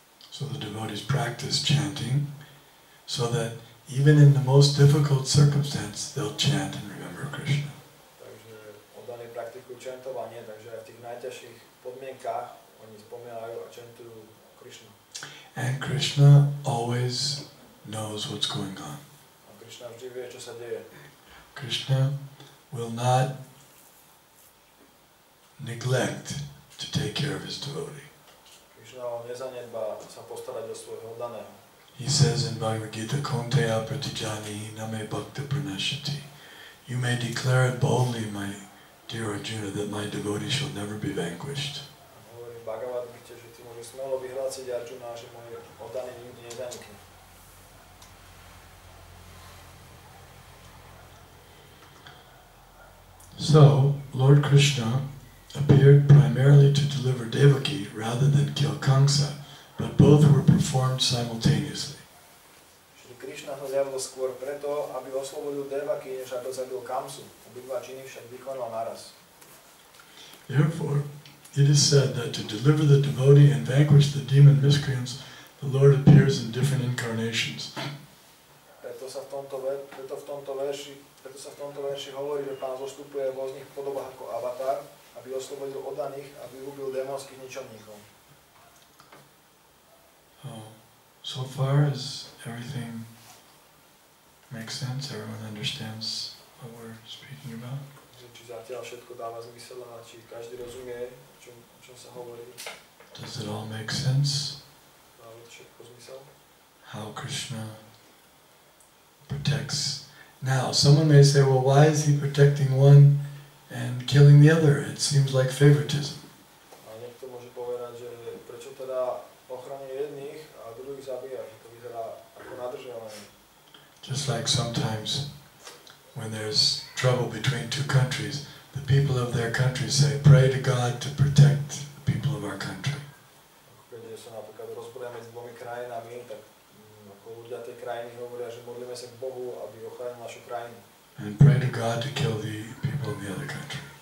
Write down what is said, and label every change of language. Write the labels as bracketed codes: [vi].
[en] So the devotees practice chanting so that even in the most difficult circumstance they'll chant and remember Krishna. [sk] Takže oddaní praktikujú čantovanie, takže aj v tých najťažších podmienkach oni spomínajú a čantujú Krishna. [en] And Krishna always knows what's going on. [sk] A Krishna vždy vie, čo sa deje. [en] Krishna will not neglect to take care of his devotee. [sk] Krishna nezanedbá sa postarať o svojho oddaného. [en] He says in Bhagavad Gita, [sa] "Konte apratijani name bhakta pranashati." [en] You may declare it boldly, my dear Arjuna, that my devotee shall never be vanquished. [sk] Hovorí v Bhagavad Gita, že ty môžeš smelo vyhlásiť Arjuna, že môj oddaný nikdy nezanikne. [en] So, Lord Krishna appeared primarily to deliver Devaki rather than kill Kamsa, but both were performed simultaneously. [sk] Čiže Krishna sa zjavil skôr preto, aby oslobodil Devaki, než aby zabil Kamsu. Obidva činy však vykonal naraz. [en] Therefore, it is said that to deliver the devotee and vanquish the demon miscreants, the Lord appears in different incarnations. [sk] Preto sa v tomto verši hovorí, že Pán zostupuje v rôznych podobách ako avatar, aby oslobodil oddaných a vyhubil démonských ničovníkov. [en] Oh, so far as everything makes sense, everyone understands what we're speaking about. [sk] Či zatiaľ všetko dáva zmysel a či každý rozumie, o čom sa hovorí. [en] Does it all make sense? [sk] Dáva to všetko zmysel? [en] How Krishna protects. Now, someone may say, well, why is he protecting one and killing the other? It seems like favoritism. [sk] A niekto môže povedať, že prečo teda ochrání jedných a druhých zabíja, že to vyzerá ako nadržiavanie. [en] Just like sometimes when there's trouble between two countries, the people of their country say, pray to God to protect the people of our country. [sk] Keď sa napríklad rozprávame s dvomi krajinami, tak ako ľudia tej krajiny hovoria, že modlíme sa k Bohu, aby ochránil našu krajinu. [en] And pray to God to kill the people of the other country.